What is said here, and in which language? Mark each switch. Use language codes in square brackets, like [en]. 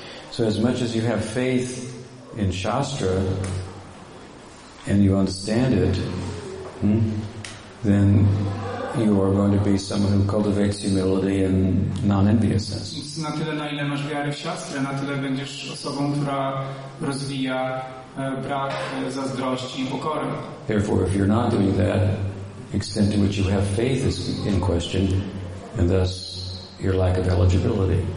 [en] So as much as you have faith in shastra and you understand it, then you are going to be someone who cultivates humility and non-enviousness. [pl] Na tyle, na ile masz wiary w siostrę, na tyle będziesz osobą, która rozwija brak zazdrości i pokory. [en] Therefore, if you're not doing that, the extent to which you have faith is in question, and thus your lack of eligibility.